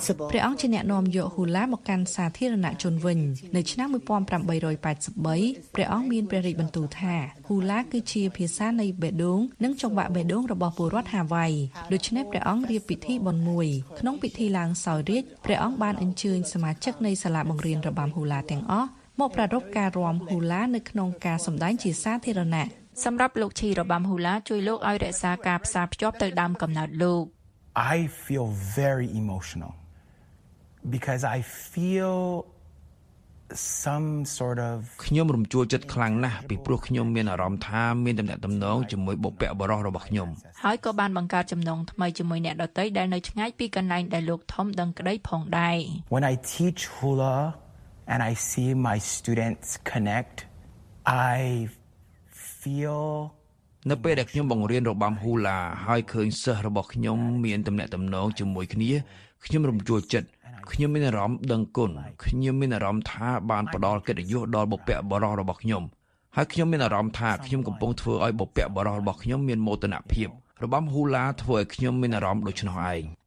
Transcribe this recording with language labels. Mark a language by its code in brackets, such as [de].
[km] ព្រះអង្គជាអ្នកណែនាំយកហ៊ូឡាមកកាន់សាធារណជនវិញនៅឆ្នាំ1883ព្រះអង្គមានព្រះរាជបន្ទូលថាហ៊ូឡាគឺជាភាសានៃបេដូងនិងចង្វាក់បេដូងរបស់ពលរដ្ឋហាវ៉ៃដូច្នេះព្រះអង្គរៀបពិធីបុណ្យមួយក្នុងពិធីឡើងសោយរាជព្រះអង្គបានអញ្ជើញសមាជិកនៃសាលាបង្រៀនរបាំហ៊ូឡាទាំងអស់មកប្រារព្ធការរាំហ៊ូឡានៅក្នុងការសម្ដែងជាសាធារណៈ សម្រាប់លោកឈីរបាំហ៊ូឡាជួយលោកឲ្យរក្សាការផ្សារភ្ជាប់ទៅដើមកំណើតលោក [en] I feel very emotional because I feel some sort of [km] ខ្ញុំរំជួលចិត្តខ្លាំងណាស់ពីព្រោះខ្ញុំមានអារម្មណ៍ថាមានតំណែងជាមួយបុព្វបុរសរបស់ខ្ញុំ ហើយក៏បានបង្កើតចំណងថ្មីជាមួយអ្នកដទៃដែលនៅឆ្ងាយពីកន្លែងដែលលោកធំដឹងក្តីផងដែរ [en] When I teach hula and I see my students connect I feel [km] នៅពេលដែលខ្ញុំបង្រៀនរបាំហ៊ូឡាហើយឃើញសិស្សរបស់ខ្ញុំមានទំនាក់ទំនងជាមួយគ្នាខ្ញុំរំជួលចិត្តខ្ញុំមានអារម្មណ៍ដឹងគុណខ្ញុំមានអារម្មណ៍ថាបានផ្ដល់កិត្តិយសដល់បុព្វបុរសរបស់ខ្ញុំហើយខ្ញុំមានអារម្មណ៍ថាខ្ញុំកំពុងធ្វើឲ្យបុព្វបុរសរបស់ខ្ញុំមានមោទនភាពរបាំហ៊ូឡាធ្វើឲ្យខ្ញុំមានអារម្មណ៍ដូចនោះឯង